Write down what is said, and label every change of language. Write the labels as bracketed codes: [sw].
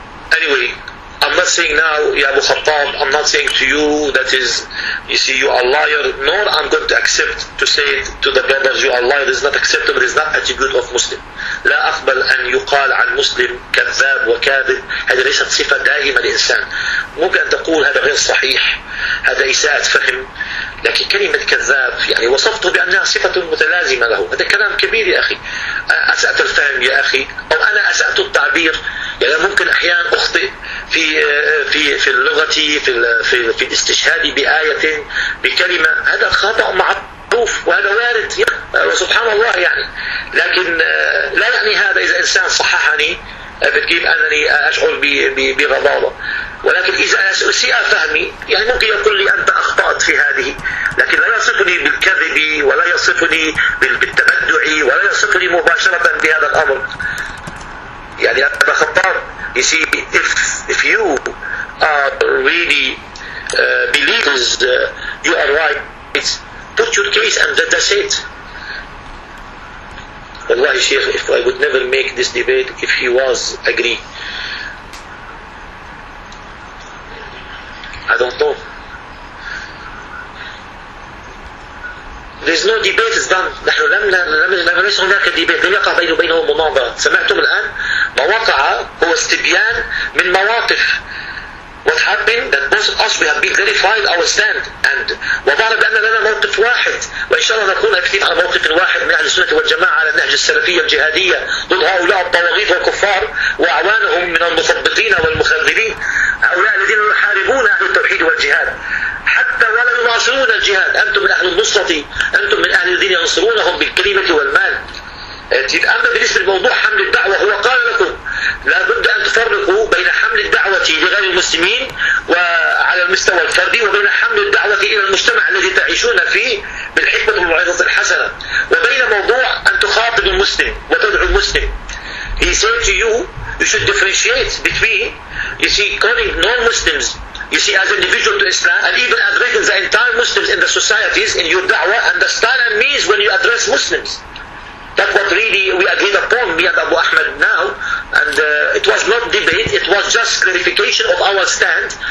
[en] Anyway, I'm not saying now, ya Abu Khattab, I'm not saying to you that is, you see, you are a liar, nor I'm going to accept to say it to the brothers, you are a liar. This is not acceptable, this is not attribute of Muslim. [ar] لا أقبل أن يقال عن مسلم كذاب وكاذب، هذه ليست صفة دائمة الإنسان. ممكن أن تقول هذا غير صحيح، هذا إساءة فهم، لكن كلمة كذاب يعني وصفته بأنها صفة متلازمة له، هذا كلام كبير يا أخي. أسأت الفهم يا أخي، أو أنا أسأت التعبير، يعني ممكن أحيانا أخطئ في اللغة، في الاستشهاد بآية بكلمة، هذا خطأ معروف وهذا وارد سبحان الله يعني. لكن لا يعني هذا إذا إنسان صححني بتجيب أنني أشعر بغضابة، ولكن إذا أسيء فهمي يعني ممكن يقول لي أنت أخطأت في هذه، لكن لا يصفني بالكذب ولا يصفني بالتبدع ولا يصفني مباشرة بهذا الأمر. يعني أنا خطأ. [en] You see, if you are really believers, you are right, put your case and that's it. Wallahi Sheikh, if I would never make this debate if he was agree. I don't know. There's no debate is done. [ar] نحن لم ليس هناك debate. لم يقع بينهم مناظرة. سمعتم الآن؟ ما وقع هو استبيان من مواقف. [en] What happened that both of us we have been verified our stand and [ar] وظهر بأن لنا موقف واحد، وإن شاء الله نكون أكثر على موقف واحد من أهل السنة والجماعة على النهج السلفي الجهادية ضد هؤلاء الطواغيت والكفار وأعوانهم من المثبطين والمخربين، هؤلاء الذين يحاربون أهل التوحيد والجهاد حتى ولا يناصرون الجهاد. أنتم من أهل النصرة، أنتم من أهل الذين ينصرونهم بالكلمة والمال. أما بالنسبة لموضوع حمل الدعوة، هو قال لكم لا بد أن تفرقوا بين حمل الدعوة لغير المسلمين وعلى المستوى الفردي، وبين حمل الدعوة إلى المجتمع الذي تعيشون فيه بالحكمة والموعظة الحسنة، وبين موضوع أن تخاطب المسلم وتدعو المسلم. [en] He said to you, you should differentiate between, you see, calling non-Muslims, you see, as individual to Islam, and even addressing the entire Muslims in the societies in your da'wah, and the style and means when you address Muslims. That's what really we agreed upon, me and Abu Ahmed now, and it was not debate, it was just clarification of our stand.